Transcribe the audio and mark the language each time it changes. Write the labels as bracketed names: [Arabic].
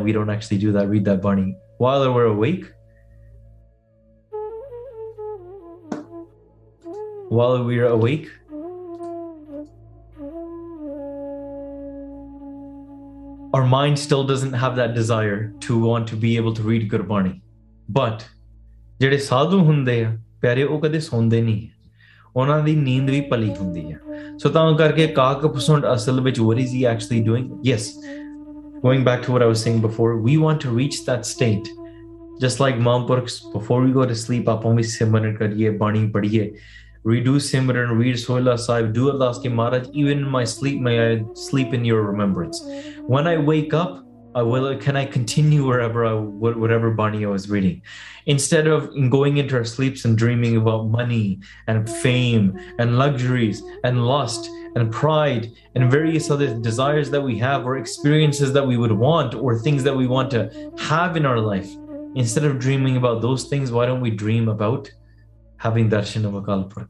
[English] We don't actually do that, read that Bani. While we're awake, our mind still doesn't have that desire to want to be able to read Gurbani. But, [Punjabi] jede sadhu hunde hai, pyare o kade sonde nahi. ਉਹਨਾਂ ਦੀ ਨੀਂਦ ਵੀ ਭਲੀ ਹੁੰਦੀ ਹੈ ਸੋ ਤਾਂ ਕਰਕੇ ਕਾਕ ਫਸੁੰਡ ਅਸਲ ਵਿੱਚ [English] what is he actually doing yes going back to what I was saying before we want to reach that state just like ਮਹਾਂਪੁਰਖ before we go to sleep [Punjabi] ਆਪਾਂ ਵੀ ਸਿਮਰਨ ਕਰੀਏ ਬਾਣੀ ਪੜ੍ਹੀਏ [English] ਰੀਡੂ simran read Sohila Sahib do ardas ਕੇ Maharaj even my sleep may I sleep in your remembrance when I wake up I will, can I continue wherever I, whatever Bani I was reading? Instead of going into our sleeps and dreaming about money and fame and luxuries and lust and pride and various other desires that we have or experiences that we would want or things that we want to have in our life. Instead of dreaming about those things, why don't we dream about having darshan of Akal Purakh?